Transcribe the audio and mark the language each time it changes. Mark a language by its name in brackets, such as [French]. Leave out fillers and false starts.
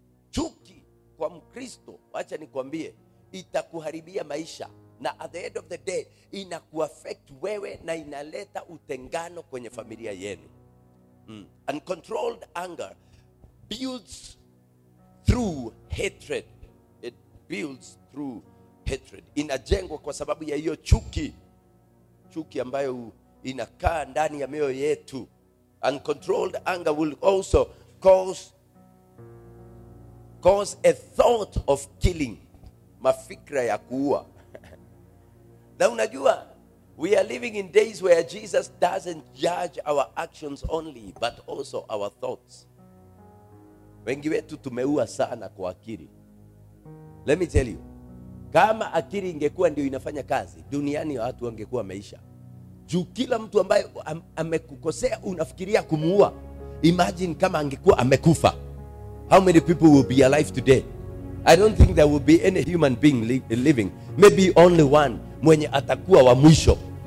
[Swahili] Chuki kwa Mkristo, wacha nikwambie, itakuharibia maisha. Na [English] at the end of the day, [Swahili] inakuaffect wewe na inaleta utengano kwenye familia yenu. [English] Uncontrolled anger builds through hatred. It builds through hatred. [Swahili] Inajengwa kwa sababu ya hiyo chuki. Chuki ambayo inakaa ndani ya mioyo yetu. [English] Uncontrolled anger will also cause a thought of killing. [Swahili] Mafikra ya kuua. Na unajua, [English] we are living in days where Jesus doesn't judge our actions only, but also our thoughts. [Swahili] Wengi wetu tumeua sana kwa akili. [English] Let me tell you, [Swahili] kama akili ingekuwa ndio inafanya kazi, duniani watu wangekuwa maisha. Juu kila mtu ambaye amekukosea unafikiria kumuua. Imagine kama angekuwa amekufa. [English] How many people will be alive today? I don't think there will be any human being living. Maybe only one [Swahili] mwenye atakuwa wa mwisho.